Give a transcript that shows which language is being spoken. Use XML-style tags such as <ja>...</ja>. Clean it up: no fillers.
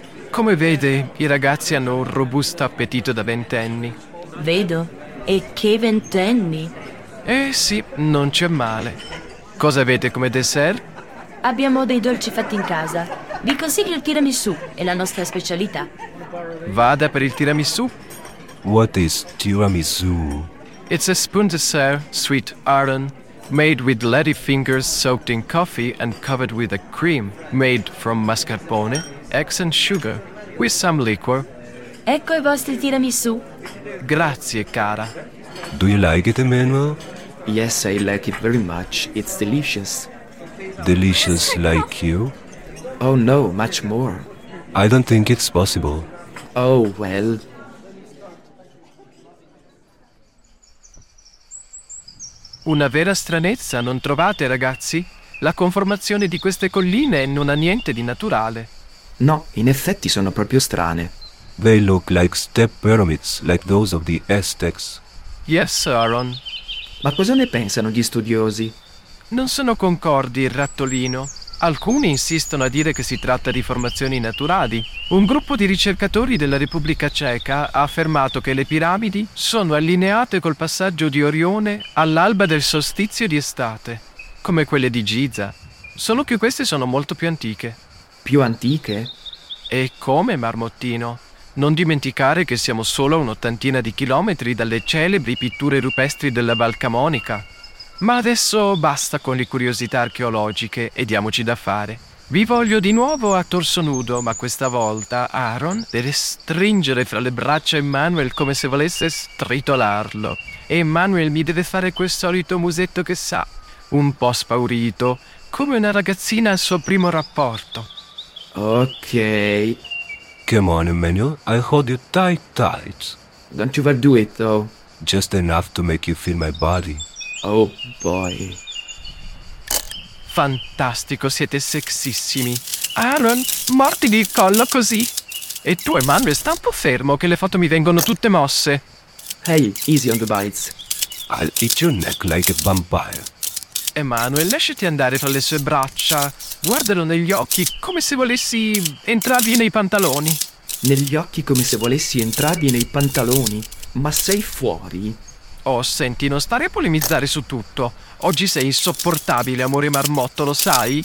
<it>Come vede, i ragazzi hanno un robusto appetito da ventenni. Vedo. E che ventenni? Eh sì, non c'è male. Cosa avete come dessert? Abbiamo dei dolci fatti in casa. Vi consiglio il tiramisù, è la nostra specialità. Vada per il tiramisù.</it> <en>What is tiramisù? It's a spoon dessert, sweet Arden, made with lady fingers soaked in coffee and covered with a cream made from mascarpone, eggs and sugar, with some liquor.</en> <it>Ecco i vostri tiramisù. Grazie, cara.</it> <en>Do you like it, Emmanuel? Yes, I like it very much. It's delicious. Delicious like you? Oh no, much more. I don't think it's possible. Oh, well.</en> <it>Una vera stranezza, non trovate, ragazzi? La conformazione di queste colline non ha niente di naturale. No, in effetti sono proprio strane.</it> <en>They look like step pyramids, like those of the Aztecs. Yes, Aaron.</en> <it>Ma cosa ne pensano gli studiosi? Non sono concordi, il rattolino. Alcuni insistono a dire che si tratta di formazioni naturali. Un gruppo di ricercatori della Repubblica Ceca ha affermato che le piramidi sono allineate col passaggio di Orione all'alba del solstizio di estate, come quelle di Giza, solo che queste sono molto più antiche. Più antiche? E come, marmottino? Non dimenticare che siamo solo a un'ottantina di chilometri dalle celebri pitture rupestri della Valcamonica. Ma adesso basta con le curiosità archeologiche e diamoci da fare. Vi voglio di nuovo a torso nudo, ma questa volta Aaron deve stringere fra le braccia Emmanuel come se volesse stritolarlo. E Emmanuel mi deve fare quel solito musetto che sa, un po' spaurito, come una ragazzina al suo primo rapporto. Ok.</it> <en>Come on, Emmanuel, I'll hold you tight, tight. Don't you overdo it, though. Just enough to make you feel my body. Oh, boy.</en> <it>Fantastico, siete sexissimi. Aaron, morti di collo così. E tu, Emmanuel, sta un po' fermo, che le foto mi vengono tutte mosse.</it> <en>Hey, easy on the bites. I'll eat your neck like a vampire.</en> <it>Emmanuel, lasciati andare tra le sue braccia. Guardalo negli occhi, come se volessi entrarvi nei pantaloni. Negli occhi come se volessi entrarvi nei pantaloni? Ma sei fuori? Oh, senti, non stare a polemizzare su tutto. Oggi sei insopportabile, amore marmotto, lo sai?</it>